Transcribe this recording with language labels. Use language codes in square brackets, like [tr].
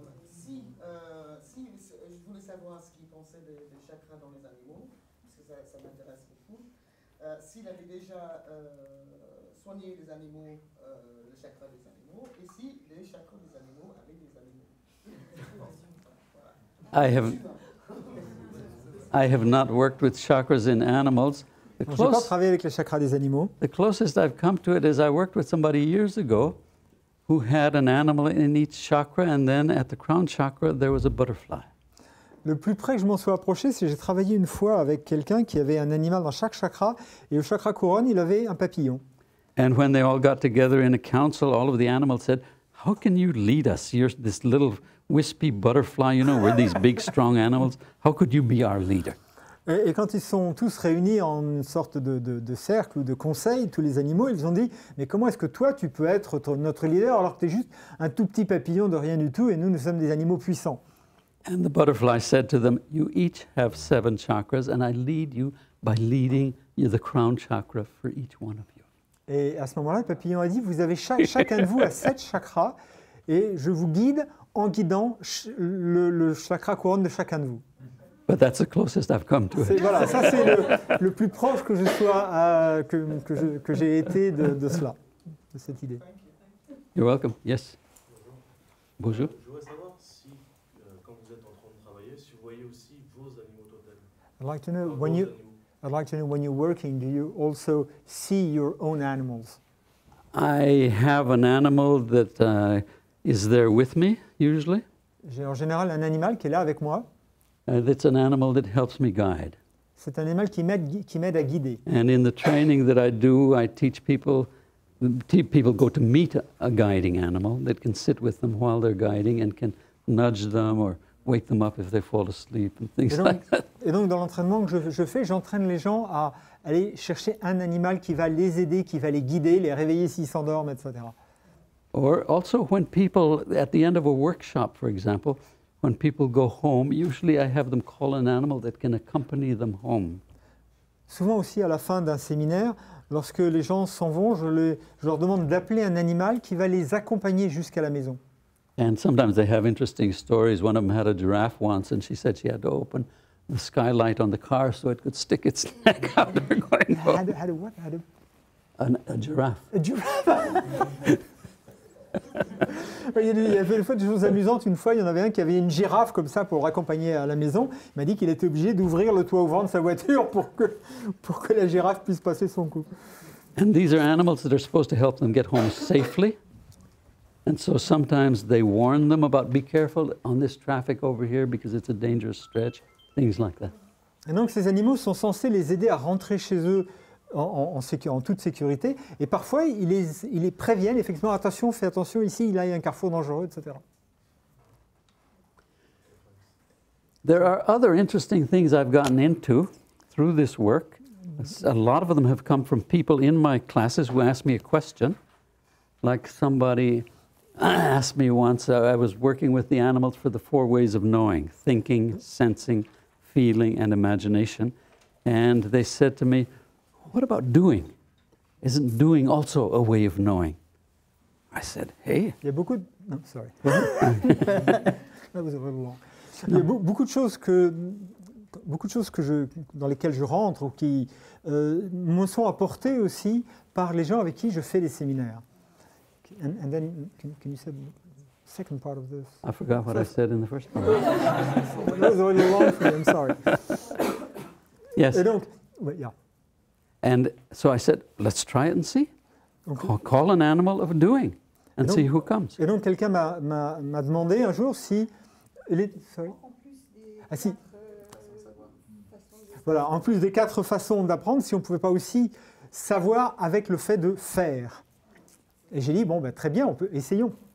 [fr] Si, je voulais savoir ce qu'il pensait des chakras dans les animaux, parce que ça m'intéresse beaucoup. S'il avait déjà soigné les animaux, les chakras des animaux, et si les chakras des animaux avaient des animaux. [en] I have not worked with chakras in animals. [fr] J'ai pas travaillé avec les chakras des animaux. [en] The closest I've come to it is I worked with somebody years ago who had an animal in each chakra and then at the crown chakra there was a butterfly. [fr] Le plus près que je m'en suis approché, c'est que j'ai travaillé une fois avec quelqu'un qui avait un animal dans chaque chakra et au chakra couronne, il avait un papillon. [en] And when they all got together in a council, all of the animals said, "How can you lead us? You're this little wispy butterfly, you know, we're these big strong animals. How could you be our leader?" [fr] Et quand ils sont tous réunis en une sorte de cercle ou de conseil, tous les animaux, ils ont dit, mais comment est-ce que toi, tu peux être notre leader alors que tu es juste un tout petit papillon de rien du tout et nous sommes des animaux puissants. [en] And the butterfly said to them, you each have seven chakras and I lead you by leading you the crown chakra for each one of you. [fr] Et à ce moment-là, le papillon a dit, vous avez chacun de vous a sept chakras et je vous guide en guidant le chakra couronne de chacun de vous. [en] But that's the closest I've come to it. [fr] Voilà, ça c'est le plus proche que je sois à que j'ai été de cela, de cette idée. [en] You're welcome. Yes. [fr] Bonjour. Je voudrais savoir si quand vous êtes en train de travailler, si vous voyez aussi vos animaux totems. [en] I'd like to know when you. Animaux. I'd like to know when you're working. Do you also see your own animals? I have an animal that is there with me usually. [fr] J'ai en général un animal qui est là avec moi. [en] It's an animal that helps me guide. [fr] C'est un animal qui m'aide à guider. [en] And in the training that I do, I teach people. People go to meet a guiding animal that can sit with them while they're guiding and can nudge them or wake them up if they fall asleep and things like that. [fr] Et donc dans l'entraînement que je fais, j'entraîne les gens à aller chercher un animal qui va les aider, qui va les guider, les réveiller s'ils s'endorment, etc. [en] Or also when people at the end of a workshop, for example. When people go home, usually I have them call an animal that can accompany them home. [fr] Souvent aussi à la fin d'un séminaire, lorsque les gens s'en vont, je leur demande d'appeler un animal qui va les accompagner jusqu'à la maison. [en] And sometimes they have interesting stories. One of them had a giraffe once, and she said she had to open the skylight on the car so it could stick its neck out of her going home. Had a what? Had a giraffe. A giraffe. [fr] Il y avait une fois des choses amusantes. Une fois, il y en avait un qui avait une girafe comme ça pour l'accompagner à la maison. Il m'a dit qu'il était obligé d'ouvrir le toit ouvrant de sa voiture pour que la girafe puisse passer son coup. [en] And these are animals that are supposed to help them get home safely. And so sometimes they warn them about be careful on this traffic over here because it's a dangerous stretch, things like that. [fr] Et donc ces animaux sont censés les aider à rentrer chez eux. En toute sécurité. Et parfois, ils les préviennent, effectivement, attention, fais attention ici, là, il y a un carrefour dangereux, etc. [en] There are other interesting things I've gotten into through this work. A lot of them have come from people in my classes who ask me a question. Like somebody asked me once, I was working with the animals for the four ways of knowing, thinking, sensing, feeling, and imagination. And they said to me, what about doing? Isn't doing also a way of knowing? I said, hey. [fr] Il y a beaucoup de... Non, [en] sorry. That was a little long. [fr] Il y a beaucoup de choses que... Beaucoup de choses que je, dans lesquelles je rentre ou qui me sont apportées aussi par les gens avec qui je fais les séminaires. [en] And then, can you say the second part of this? I forgot what I said in the first part. That was already long for you, I'm sorry. Yes. [fr] Et donc, [en] but yeah. And so I said, let's try it and see. Okay. Call an animal of doing and [fr] donc, [en] see who comes. [fr] Et donc, quelqu'un m'a demandé un jour si... [en] Sorry. [fr] Ah si... Voilà, en plus des quatre façons d'apprendre, si on ne pouvait pas aussi savoir avec le fait de faire. Et j'ai dit, bon, ben, très bien, on peut, essayons.